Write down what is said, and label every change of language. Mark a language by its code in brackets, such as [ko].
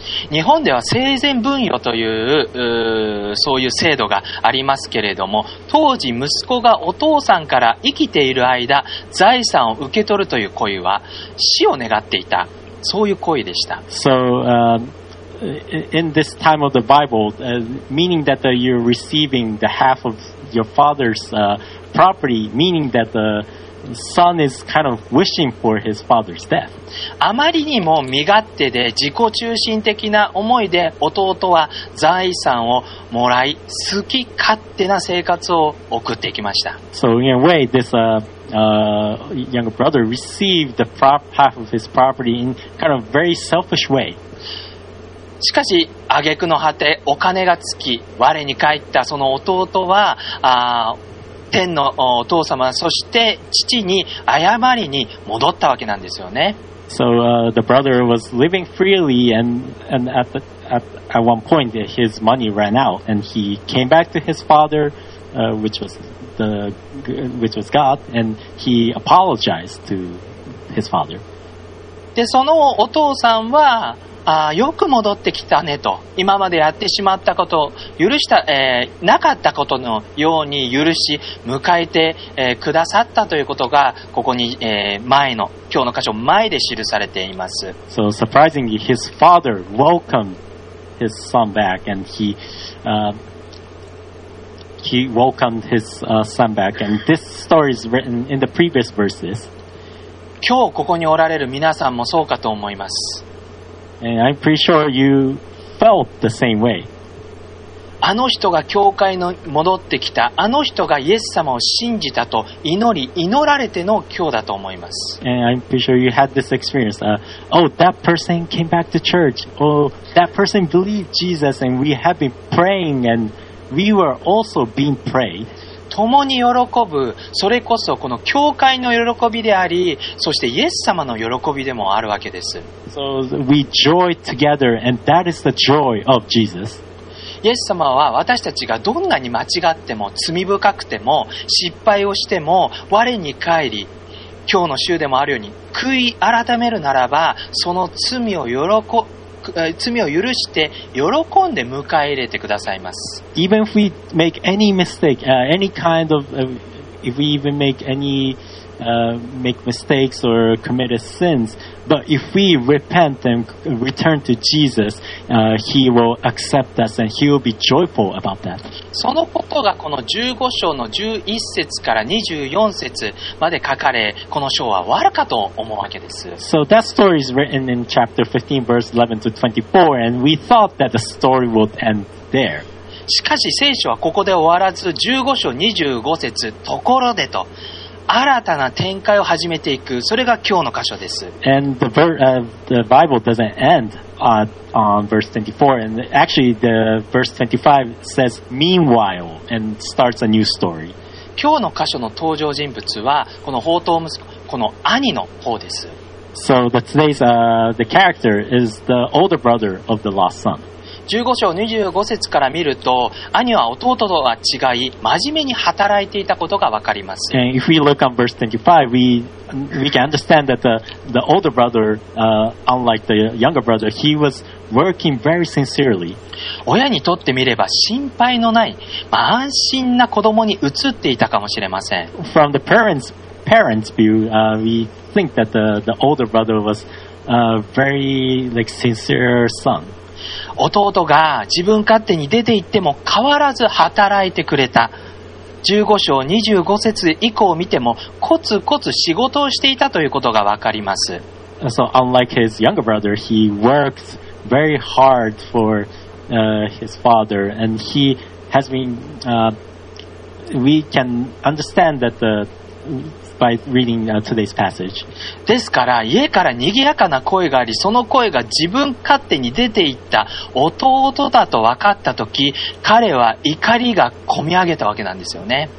[ja] 日本では生前分与というそういう制度がありますけれども、当時息子がお父さんから生きている間財産を受け取るという行為は死を願っていた、そういう行為でした。 [en] So in this time of the Bible, meaning that you're receiving the half of your father's property, meaning that theSon is kind of wishing for his father's death. [ja] あまりにも身勝手で自己中心的な思いで弟は財産をもらい、好き勝手な生活を送ってきました。 [en] So in a way, this young brother received the half of his property in kind of very selfish way. [ja] しかし挙句の果て、お金が尽き、我に返ったその弟は、天のお父様、そして父に謝りに戻ったわけなんですよね。 [en] So, the brother was living freely, and at one point his money ran out, and he came back to his father, which was God, and he apologized to his father. [ja] で、そのお父さんは、よく戻ってきたねと、今までやってしまったこと許した、なかったことのように許し迎えて、くださったということがここに、前の今日の箇所前で記されています。 [en] So surprisingly, his father welcomed his son back, and he welcomed his son back, and this story is written in the previous verses. [ja] 今日ここにおられる皆さんもそうかと思います。 [en] And I'm pretty sure you felt the same way. [ja] あの人が教会に戻ってきた、あの人がイエス様を信じたと祈り、祈られての今日だと思います。 [en] And I'm pretty sure you had this experience. That person came back to church. Oh, that person believed Jesus and we have been praying and we were also being prayed. [ja] 共に喜ぶ、それこそこの教会の喜びであり、そしてイエス様の喜びでもあるわけです。 [en] So we joy together, and that is the joy of Jesus. [ja] イエス様は私たちがどんなに間違っても、罪深くても、失敗をしても、我に返り、今日の週でもあるように、悔い改めるならば、その罪を喜ぶ。罪を許して喜んで迎え入れてくださいます。 [en] Even if we make any mistake, any kind of, if we even make any, make mistakes or commit sins, but if we repent and return to Jesus, he will accept us and he will be joyful about that. [ja] そのことがこの15章の11節から24節まで書かれ、この章は終わるかと思うわけです。 [en] So that story is written in chapter 15, verse 11 to 24, and we thought that the story would end there. [ja] しかし聖書はここで終わらず、15章25節、ところでと、新たな展開を始めていく、それが今日の箇所です。 [en] And the Bible doesn't end on verse 24, and actually the verse 25 says meanwhile and starts a new story. [ja] 今日の箇所の登場人物は、この放蕩息子、この兄の方です。 [en] So today's, the character is the older brother of the lost son. [ja] 15章25節から見ると、兄は弟とは違い、真面目に働いていたことが分かります。 [en] And if we look on verse 25, we can understand that the older brother, unlike the younger brother, he was working very sincerely. [ja] 親にとってみれば心配のない、まあ、安心な子供に移っていたかもしれません。 [en] From the parents' view, we think that the older brother was a very, like, sincere son. [ja] 弟が自分勝手に出て行っても変わらず働いてくれた。 15章25節以降を見てもコツコツ仕事をしていたということがわかります。 [en] So unlike his younger brother, he worked very hard for, his father, and he has been, we can understand that the,By reading today's passage. [ja] ですから家からにぎやかな声があり、その声が自分勝手に出ていった弟だと分かったとき、彼は怒りが込み上げたわけなんですよね。